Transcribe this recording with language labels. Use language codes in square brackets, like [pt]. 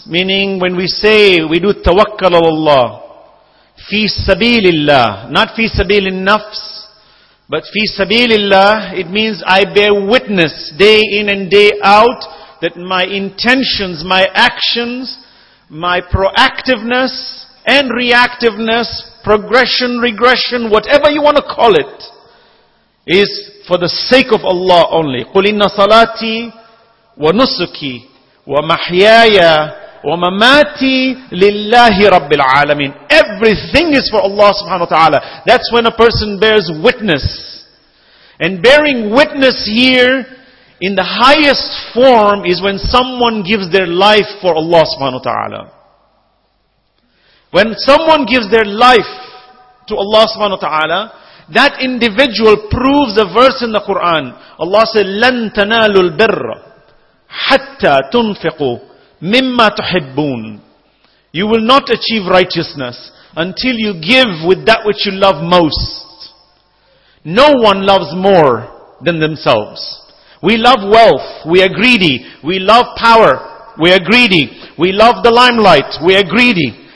[en] Meaning when we say we do tawakkal Allah, fi sabilillah, not fi sabilin nafs, but fi sabilillah, it means I bear witness day in and day out that my intentions, my actions, my proactiveness and reactiveness, progression, regression, whatever you want to call it, is for the sake of Allah only. [ar] قُلْ إِنَّ صَلَاتِي ونسكي ومحياي ومماتي لله رب العالمين. [en] Everything is for Allah subhanahu wa ta'ala. That's when a person bears witness. And bearing witness here in the highest form is when someone gives their life for Allah subhanahu wa ta'ala. When someone gives their life to Allah subhanahu wa ta'ala, that individual proves a verse in the Quran. Allah said, [ar] لَن تَنَالُوا الْبِرَّ حَتَّى تُنْفِقُوا مِمَّا تُحِبُّونَ. [en] You will not achieve righteousness until you give with that which you love most. No one loves more than themselves. We love wealth, we are greedy. We love power, we are greedy. We love the limelight, we are greedy.